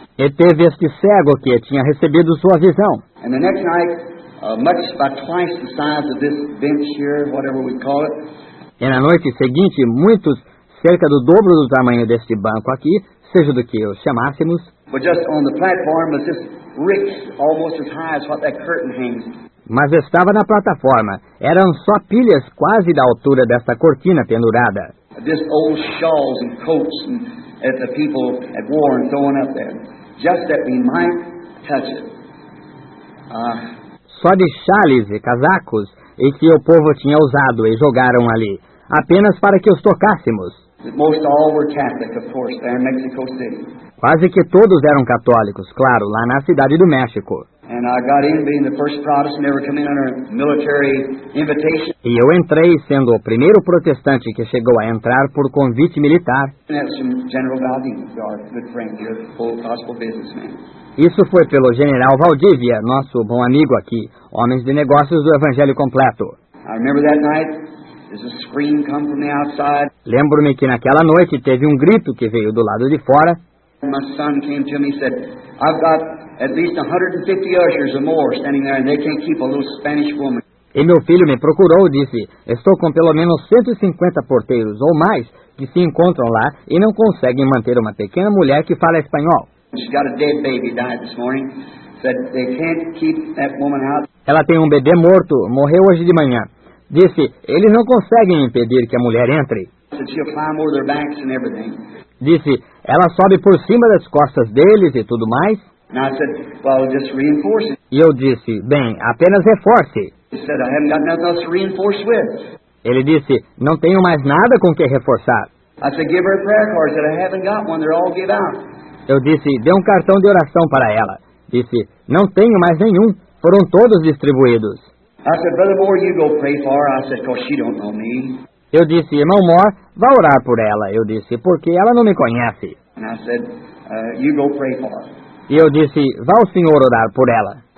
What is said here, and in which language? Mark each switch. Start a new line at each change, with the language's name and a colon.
Portuguese: E teve este cego que tinha recebido sua visão.
English: And the next night, much by twice the size of this bench here, whatever we call it.
Portuguese: E na noite seguinte, muitos, cerca do dobro do tamanho deste banco aqui, seja do que o chamássemos.
English: But just on the platform was this rick, almost as high as what that curtain hangs.
Portuguese: Mas estava na plataforma. Eram só pilhas quase da altura desta cortina pendurada.
English: This old shawls and coats and that the people had worn throwing up there. Just that we might touch it.
Portuguese: Só de chales e casacos e que o povo tinha usado e jogaram ali. Apenas para que os tocássemos.
English: Most all were Catholic, of course, there in Mexico City.
Portuguese: Quase que todos eram católicos, claro, lá na cidade do México.
English: And I got in being the first Protestant ever come in under military invitation.
Portuguese: E eu entrei sendo o primeiro protestante que chegou a entrar por convite militar.
English: And that's from General Valdivia, our good friend here, old gospel businessman.
Portuguese: Isso foi pelo General Valdivia, nosso bom amigo aqui, homens de negócios do Evangelho Completo.
English: I remember that night, there's a scream come from the outside.
Portuguese: Lembro-me que naquela noite teve um grito que veio do lado de fora.
English: And my son came to me and said, I've got at least 150 ushers or more standing there, and they can't keep a little Spanish woman.
Portuguese: E meu filho me procurou e disse, estou com pelo menos 150 porteiros ou mais que se encontram lá e não conseguem manter uma pequena mulher que fala espanhol.
English: She's got a dead baby died this morning. Said they can't keep that woman out.
Portuguese: Ela tem um bebê morto, morreu hoje de manhã. Disse, eles não conseguem impedir que a mulher entre.
English: Said she'll climb over their backs and everything.
Portuguese: Disse, ela sobe por cima das costas deles e tudo mais.
English: And I said, well, just reinforce it.
Portuguese: E eu disse, bem, apenas reforce.
English: He said, I haven't got nothing else to reinforce with.
Portuguese: Ele disse, não tenho mais nada com que reforçar.
English: I said, give her a prayer card. I said, I haven't got one. They're all give out.
Portuguese: Eu disse, dê um cartão de oração para ela. Disse, não tenho mais nenhum. Foram todos distribuídos.
English: I said, Brother Moore, you go pray for her. I said, because she don't know me.
Portuguese: Eu disse, irmão Moore, vá orar por ela. Eu disse, porque ela não me conhece.
English: And I said, you go pray for her.
Portuguese: E eu disse, vá o senhor orar por ela.